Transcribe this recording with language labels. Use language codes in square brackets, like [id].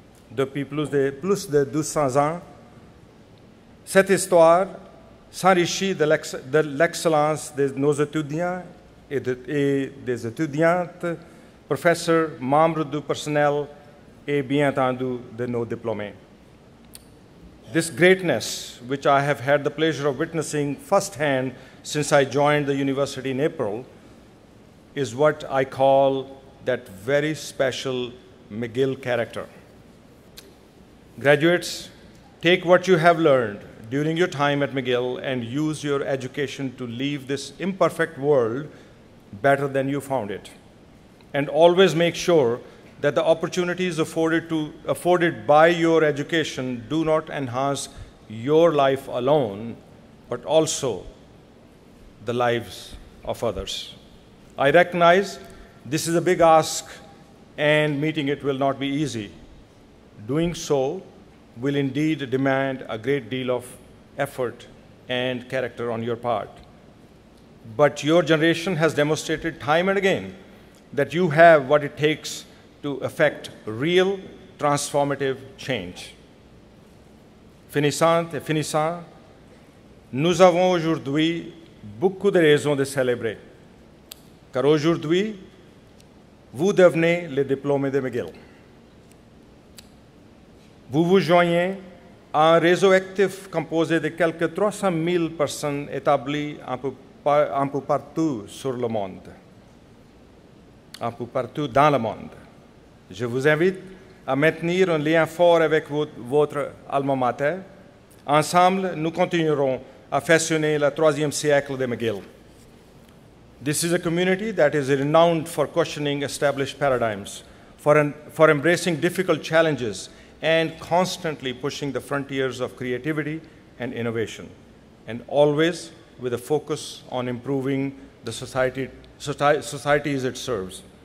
[fr] Depuis plus de 200 ans, cette histoire s'enrichit de l'excellence de nos étudiants et des étudiantes, professeurs, membres du personnel et bien entendu de nos diplômés. [en] This greatness, which I have had the pleasure of witnessing firsthand since I joined the university in April, is what I call that very special McGill character. Graduates, take what you have learned during your time at McGill and use your education to leave this imperfect world better than you found it. And always make sure that the opportunities afforded by your education do not enhance your life alone, but also the lives of others. I recognize this is a big ask and meeting it will not be easy. Doing so will indeed demand a great deal of effort and character on your part. But your generation has demonstrated time and again that you have what it takes to effect real transformative change. [fr] Finissantes et finissants, nous avons aujourd'hui beaucoup de raisons de célébrer, car aujourd'hui, vous devenez les diplômés de McGill. Vous vous joignez à un réseau actif composé de quelques 300 000 personnes établies un peu partout dans le monde. Je vous invite à maintenir un lien fort avec votre alma mater. Ensemble, nous continuerons à façonner le troisième siècle de McGill. [en] This is a community that is renowned for questioning established paradigms, for embracing difficult challenges, and constantly pushing the frontiers of creativity and innovation, and always with a focus on improving the societies it serves.